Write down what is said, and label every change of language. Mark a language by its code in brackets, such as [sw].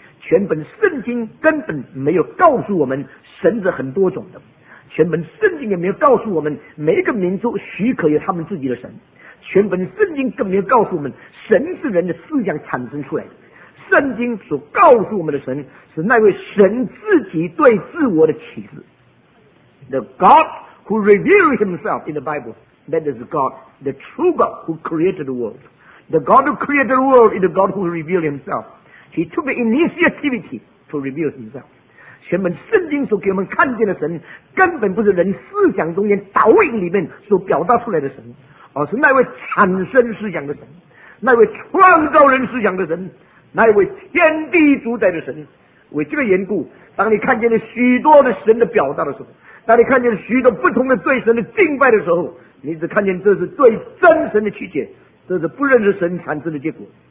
[zh] 全本圣经根本没有告诉我们神是很多种的，全本圣经也没有告诉我们每一个民族许可有他们自己的神，全本圣经更没有告诉我们神是人的思想产生出来的。圣经所告诉我们的神是那位神自己对自我的启示。 [en] The God who revealed himself in the Bible, that is God, the true God who created the world. The God who created the world is the God who revealed himself. He took the initiativity to reveal himself. [zh] 全本圣经所给我们看见的神根本不是人思想中间导引里面所表达出来的神，而是那位产生思想的神，那位创造人思想的神，那一位天地主宰的神。为这个缘故，当你看见了许多的神的表达的时候，当你看见了许多不同的对神的敬拜的时候，你只看见这是对真神的曲解，这是不认识神产生的结果。